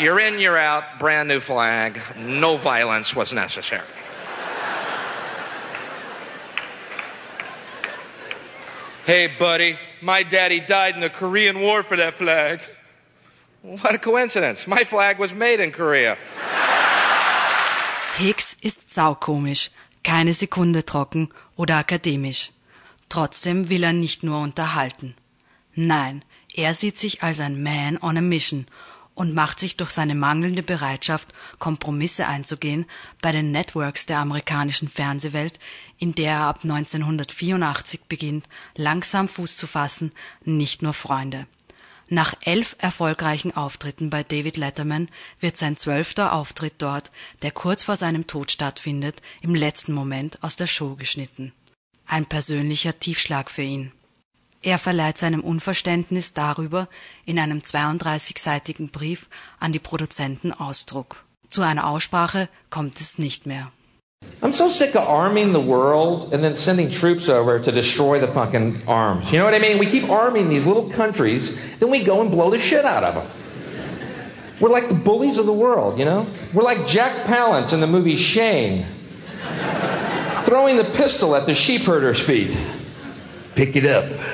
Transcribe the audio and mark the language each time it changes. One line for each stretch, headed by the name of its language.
English: You're in, you're out, brand new flag. No violence was necessary. Hey, buddy, My daddy died in the Korean War for that flag. What a coincidence. My flag was made in Korea.
German: Hicks ist saukomisch, keine Sekunde trocken oder akademisch. Trotzdem will er nicht nur unterhalten. Nein, er sieht sich als ein Man on a Mission und macht sich durch seine mangelnde Bereitschaft, Kompromisse einzugehen, bei den Networks der amerikanischen Fernsehwelt, in der er ab 1984 beginnt, langsam Fuß zu fassen, nicht nur Freunde. Nach 11 erfolgreichen Auftritten bei David Letterman wird sein 12. Auftritt dort, der kurz vor seinem Tod stattfindet, im letzten Moment aus der Show geschnitten. Ein persönlicher Tiefschlag für ihn. Er verleiht seinem Unverständnis darüber in einem 32-seitigen Brief an die Produzenten Ausdruck. Zu einer Aussprache kommt es nicht mehr.
English: I'm so sick of arming the world and then sending troops over to destroy the fucking arms. You know what I mean? We keep arming these little countries, then we go and blow the shit out of them. We're like the bullies of the world, you know? We're like Jack Palance in the movie Shane, throwing the pistol at the sheepherder's feet. Pick it up.